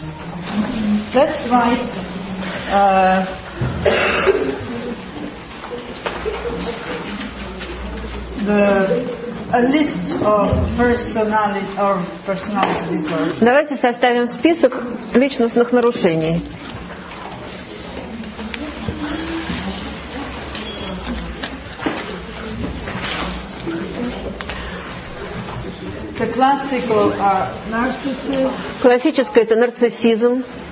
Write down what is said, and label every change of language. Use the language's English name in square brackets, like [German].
[English] Let's write a list of personality or personality disorders. [Russian] Давайте составим список личностных нарушений. [English] The classical are narcissism. [Russian] Классическое это нарциссизм.